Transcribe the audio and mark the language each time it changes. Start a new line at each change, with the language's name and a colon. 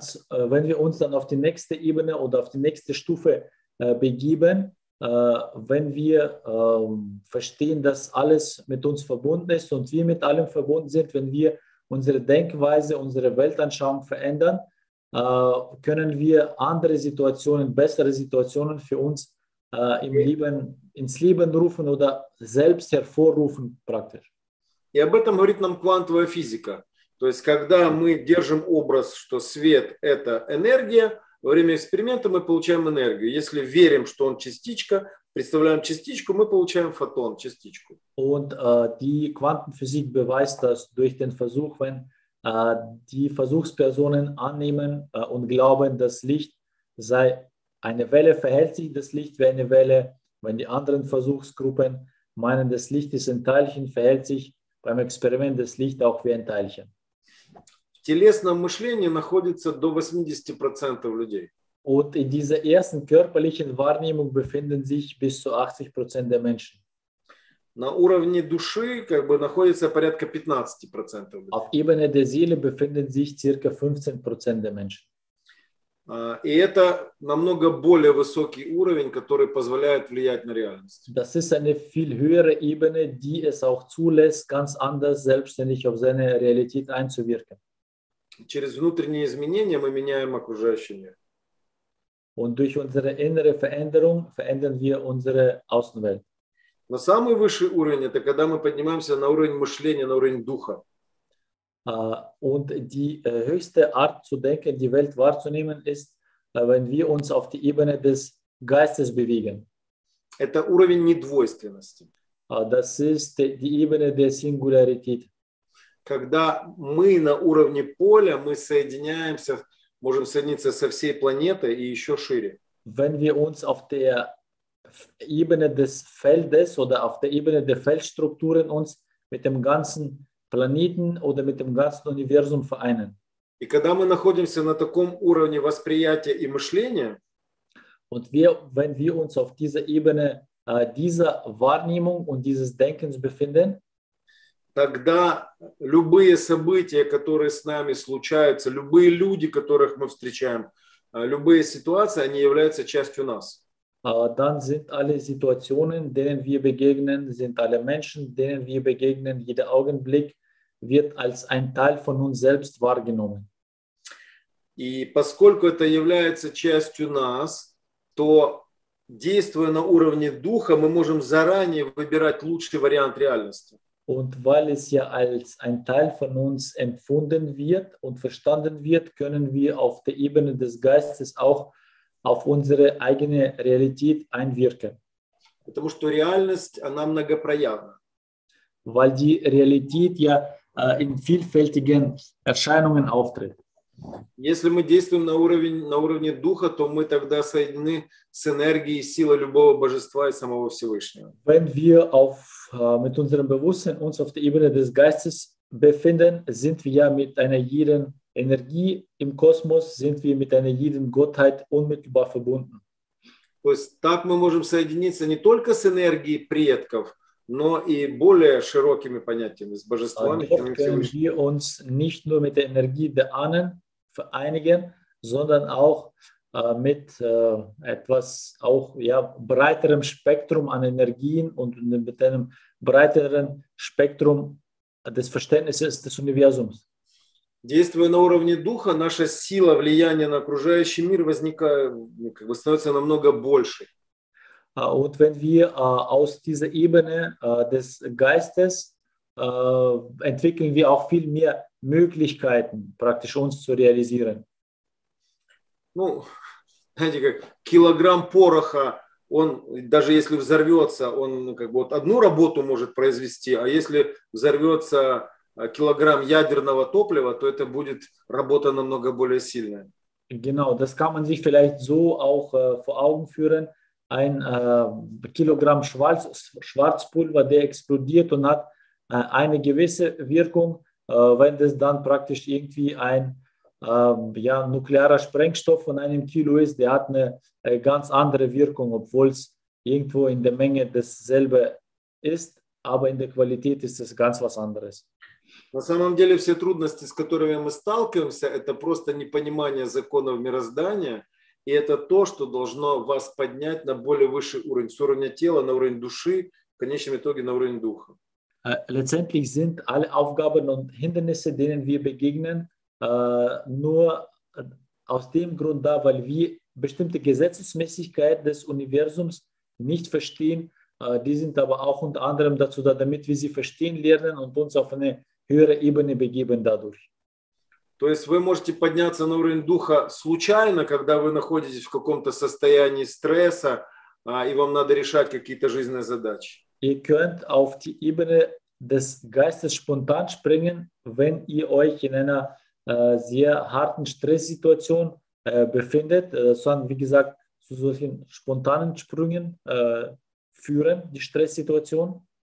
German: Wenn wir uns dann auf die nächste Ebene oder auf die nächste Stufe begeben, wenn wir verstehen, dass alles mit uns verbunden ist und wir mit allem verbunden sind, wenn wir unsere Denkweise, unsere Weltanschauung verändern, können wir andere Situationen, bessere Situationen für uns im Leben, ins Leben rufen oder selbst hervorrufen praktisch.
Russian: И об этом говорит нам квантовая физика. То есть, когда мы держим образ, что свет – это энергия, во время эксперимента мы получаем энергию. Если верим, что он частичка, представляем частичку, мы получаем фотон, частичку.
German: Und die Quantenphysik beweist, dass durch den Versuch, wenn die Versuchspersonen annehmen und glauben, das Licht sei eine Welle, verhält sich das Licht wie eine Welle. Wenn die anderen Versuchsgruppen meinen, das Licht ist ein Teilchen, verhält sich beim Experiment das Licht auch wie ein Teilchen.
Russian: В телесном мышлении находится до 80% людей.
German: Und in dieser ersten körperlichen Wahrnehmung befinden sich bis zu 80% der Menschen.
Russian: На уровне души как бы находится порядка 15% людей.
German: Auf Ebene der Seele befinden sich circa 15% der Menschen.
Russian: И это намного более высокий уровень, который позволяет влиять на реальность.
German: Das ist eine viel höhere Ebene, die es auch zulässt, ganz anders selbstständig auf seine Realität einzuwirken.
Russian: Через внутренние изменения мы меняем окружающий мир.
German: Und durch unsere innere Veränderung verändern wir unsere Außenwelt.
Russian: Но самый высший уровень – это когда мы поднимаемся на уровень мышления, на уровень духа.
German: Und die höchste Art zu denken, die Welt wahrzunehmen, ist, wenn wir uns auf die Ebene des Geistes bewegen.
Russian: Это уровень недвойственности.
German: Das ist die Ebene der Singularität.
Russian: Когда мы на уровне поля, мы соединяемся, можем соединиться со всей планетой и еще шире.
German: Wenn wir uns auf der Ebene des Feldes oder auf der Ebene der Feldstrukturen uns mit dem ganzen Planeten oder mit dem ganzen Universum vereinen.
Russian: И когда мы находимся на таком уровне восприятия и мышления,
German: und wir, wenn wir uns auf dieser Ebene dieser Wahrnehmung und dieses Denkens befinden,
Russian: тогда любые события, которые с нами случаются, любые люди, которых мы встречаем, любые ситуации, они являются частью нас.
German: Dann sind alle Situationen, denen wir begegnen, sind alle Menschen, denen wir begegnen, jeder Augenblick wird als ein Teil von uns selbst wahrgenommen.
Russian: И поскольку это является частью нас, то действуя на уровне духа, мы можем заранее выбирать лучший вариант реальности.
German: Und weil es ja als ein Teil von uns empfunden wird und verstanden wird, können wir auf der Ebene des Geistes auch auf unsere eigene Realität einwirken.
Russian: Потому что реальность, она многопроявна.
German: Weil die Realität ja in vielfältigen Erscheinungen auftritt.
Russian: Если мы действуем на уровне духа, то мы тогда соединены с энергией и силой любого божества и самого Всевышнего.
German: Wenn wir auf mit unserem Bewusstsein uns auf der Ebene des Geistes befinden, sind wir ja mit einer jeden Energie im Kosmos, sind wir mit einer jeden Gottheit unmittelbar verbunden.
Russian: То есть так мы можем соединиться не только с энергией предков, но и более широкими понятиями, с божествами.
German: Dort können wir uns nicht nur mit der Energie der Ahnen vereinigen, sondern auch mit etwas auch ja breiterem Spektrum an Energien und mit einem breiteren Spektrum des Verständnisses des Universums.
Russian: Действуя на уровне духа, наша сила влияния на окружающий мир возникает, как бы становится намного больше.
German: Und wenn wir aus dieser Ebene des Geistes entwickeln wir auch viel mehr Möglichkeiten, praktisch uns zu realisieren.
Russian: Ну, знаете, как килограмм пороха, он, даже если взорвется, он как бы вот одну работу может произвести, а если взорвется килограмм ядерного топлива, то это будет работа намного более сильная.
German: Genau, das kann man sich vielleicht so auch vor Augen führen. Ein Kilogramm Schwarzpulver, der explodiert und hat eine gewisse Wirkung, wenn das dann praktisch irgendwie ein nuklearer Sprengstoff von einem Kilo ist, der hat eine ganz andere Wirkung, obwohl es irgendwo in der Menge dasselbe ist, aber in der Qualität ist es ganz was anderes.
Russian: На самом деле все трудности, с которыми мы сталкиваемся, это просто непонимание законов мироздания. И это то, что должно вас поднять на более высший уровень, с уровня тела на уровень души, в конечном итоге на уровень духа.
German: Letztendlich sind alle Aufgaben und Hindernisse, denen wir begegnen, nur aus dem Grund da, weil wir bestimmte Gesetzesmäßigkeit des Universums nicht verstehen. Die sind aber auch unter anderem dazu da, damit wir sie verstehen lernen und uns auf eine höhere Ebene begeben dadurch.
Russian: То есть вы можете подняться на уровень духа случайно, когда вы находитесь в каком-то состоянии стресса, и вам надо решать какие-то жизненные задачи.
German: Ihr könnt auf die Ebene des Geistes spontan springen, wenn ihr euch in einer sehr harten Stresssituation befindet. Sondern, wie gesagt, zu solchen spontanen Sprüngen führen die Stresssituation.